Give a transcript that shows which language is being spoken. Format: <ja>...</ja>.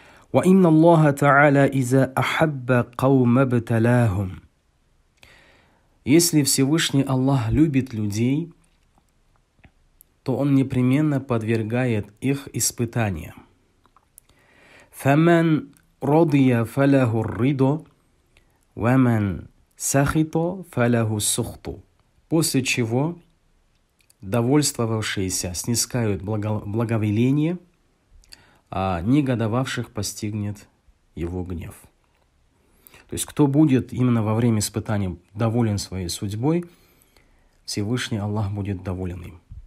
<ar>وَإِنَّ اللَّهَ تَعَالَى إِذَا أَحَبَّ قَوْمَ بَتَلَاهُمْ.</ar> <ru>Если Всевышний Аллах любит людей, то Он непременно подвергает их испытаниям.</ru> <ar>فَمَنْ رَضِيَ فَلَهُ الرِّضَ وَمَنْ Сахито фаляху сухту.</ar> <ru>После чего довольствовавшиеся снискают благовеление, а негодовавших постигнет его гнев. То есть, кто будет именно во время испытаний доволен своей судьбой, Всевышний Аллах будет доволен им.</ru>